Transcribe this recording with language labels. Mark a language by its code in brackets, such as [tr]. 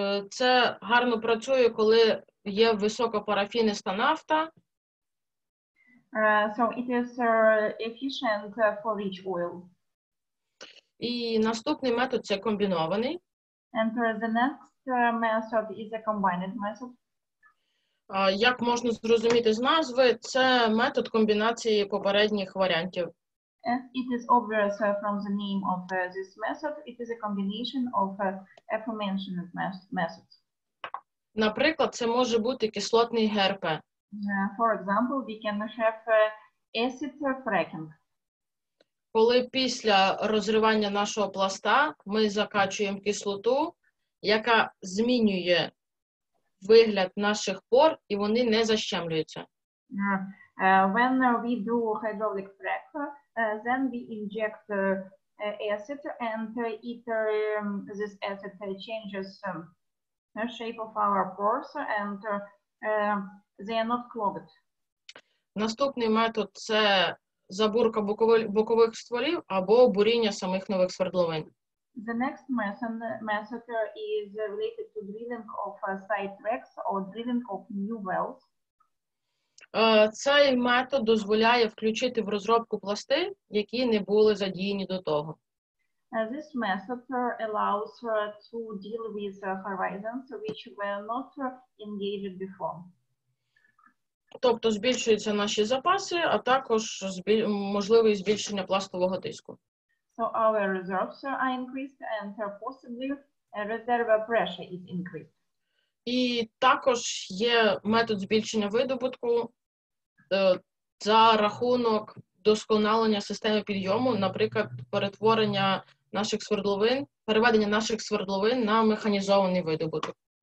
[uk] Це гарно працює, коли є високопарафіниста нафта. [en] So it is efficient for rich oil. [uk] І наступний метод – це комбінований. [en] And the next method is a combined method. [uk] Як можна зрозуміти з назви, це метод комбінації попередніх варіантів. [en] It is obvious from the name of this method, it is a combination of aforementioned methods. [uk] Наприклад, це може бути кислотний ГРП. [en] For example, we can have acid fracking. [uk] Коли після розривання нашого пласта ми закачуємо кислоту, яка змінює вигляд наших пор, і вони не защемлюються. [en] When we do hydraulic frac, then we inject acid, and it this acid changes the shape of our pores, and they are not clogged. [uk] Наступний метод – це забурка бокових стволів або буріння самих нових свердловин. [en] The next method is related to drilling of side tracks or drilling of new wells. [uk] Цей метод дозволяє включити в розробку пласти, які не були задіяні до того. [en] This method allows to deal with horizons which were not engaged before. [uk] Тобто збільшуються наші запаси, а також можливе збільшення пластового тиску. [en] So our reserves are increased and possibly reserve pressure is increased. [uk] І також є метод збільшення видобутку за рахунок вдосконалення системи підйому, наприклад, перетворення наших свердловин, переведення наших свердловин на механізований видобуток.